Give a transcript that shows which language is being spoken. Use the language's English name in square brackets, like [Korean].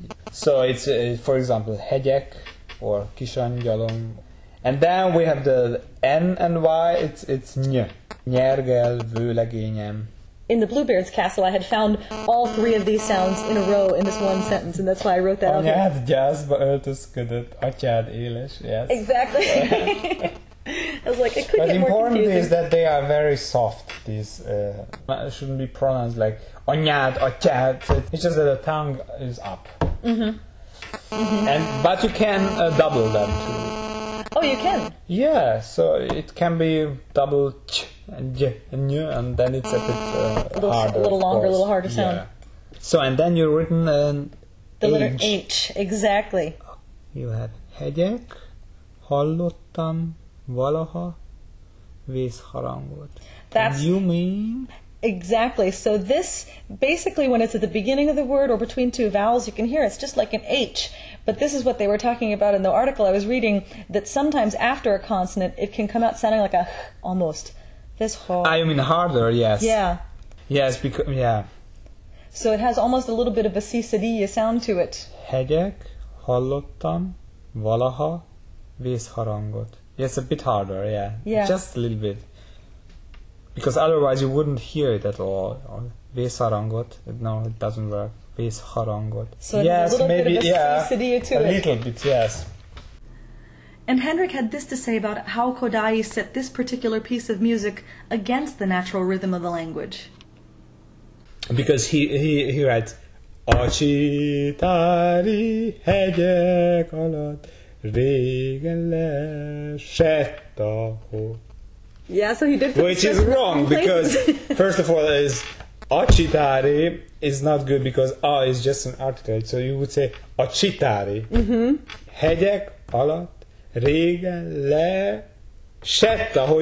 [English] So it's, for example, hegyek or kisangyalom. And then we have the N and Y, it's ny. [Hungarian] Nyergel, vőlegényem. [English] In the Bluebeard's Castle, I had found all three of these sounds in a row in this one sentence, and that's why I wrote that out. [Hungarian] Anyád gyászba öltözködött, atyád éles, yes. [English] Exactly. I was like, it could but get important more confusing. Is that they are very soft, these shouldn't be pronounced like anyád, atyád. It's just that the tongue is up. Mm-hmm. And but you can double them too. Oh, you can? Yeah, so it can be double ch and y and y, and then it's a bit harder. A little longer, course. A little harder sound. Yeah. So, and then you've written an the H. Letter H, exactly. [Hungarian] You have hegyek, hallottam, valaha, vészharangot. [English] That's... You mean... Exactly. So this, basically when it's at the beginning of the word or between two vowels, you can hear it's just like an H. But this is what they were talking about in the article I was reading, that sometimes after a consonant, it can come out sounding like a H, almost. This whole... I mean harder, yes. Yeah. Yes, because... Yeah. So it has almost a little bit of a C-C-D-E sound to it. [Hungarian] Hegyek, hallottam, valaha, vészharangot. [English] Yes, a bit harder, yeah. Yeah. Just a little bit. Because otherwise you wouldn't hear it at all. Vészharangot. No, it doesn't work. Vészharangot. So yes, a maybe, bit of a C-C-D-E to a it. A little bit, yes. And Henrik had this to say about how Kodály set this particular piece of music against the natural rhythm of the language. Because he writes, [Hungarian] Ocsitári hegyek alatt Régen leesett a hó. [English] Yeah, so he did. Which is wrong because first of all, is acsitári is not good because a is just an article. So you would say acsitári. Mm-hmm. [Hungarian] Hegyek alatt régen leesett a hó.